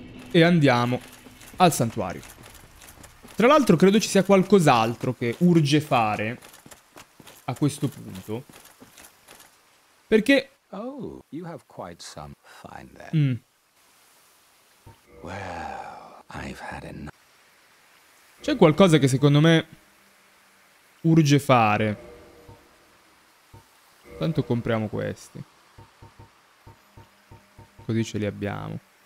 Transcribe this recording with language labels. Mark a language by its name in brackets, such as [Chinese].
[Italian] E andiamo al santuario. Tra l'altro credo ci sia qualcos'altro che urge fare a questo punto. Perché... [English] Oh, you have quite some fun there. Well, I've had enough. [Italian] C'è qualcosa che secondo me urge fare. Tanto compriamo questi. Così ce li abbiamo.